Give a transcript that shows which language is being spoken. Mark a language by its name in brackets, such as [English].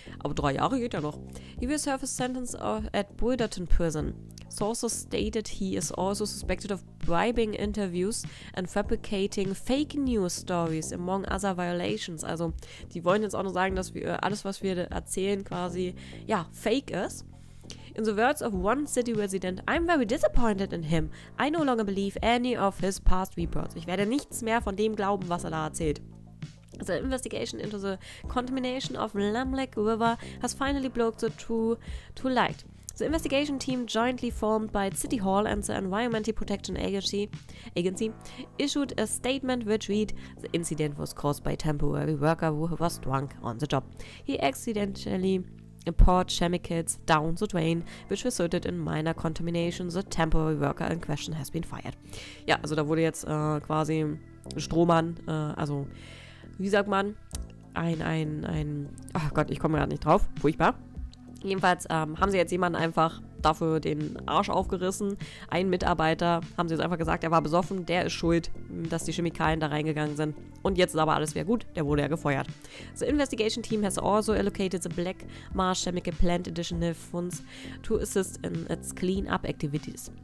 [German] Aber 3 Jahre geht ja noch. [English] He will serve his sentence at Bulletin Prison. Sources stated he is also suspected of bribing interviews and fabricating fake news stories among other violations. [German] Also die wollen jetzt auch nur sagen, dass wir alles, was wir erzählen, quasi, fake ist. [English] In the words of one city resident, I'm very disappointed in him. I no longer believe any of his past reports. [German] Ich werde nichts mehr von dem glauben, was er da erzählt. [English] The investigation into the contamination of Lamlick River has finally broke the true light. The investigation team jointly formed by City Hall and the Environmental Protection Agency issued a statement which read, "The incident was caused by a temporary worker who was drunk on the job. He accidentally poured chemicals down the drain, which resulted in minor contamination. The temporary worker in question has been fired." [German] Ja, also da wurde jetzt quasi ein Strohmann, also wie sagt man, ein, ach Gott, ich komme gerade nicht drauf, furchtbar. Jedenfalls haben sie jetzt jemanden einfach dafür den Arsch aufgerissen. Ein Mitarbeiter, haben sie jetzt einfach gesagt, er war besoffen, der ist schuld, dass die Chemikalien da reingegangen sind. Und jetzt ist aber alles wieder gut, der wurde ja gefeuert. [English] The investigation team has also allocated the Black Marsh Chemical Plant additional funds to assist in its clean-up activities.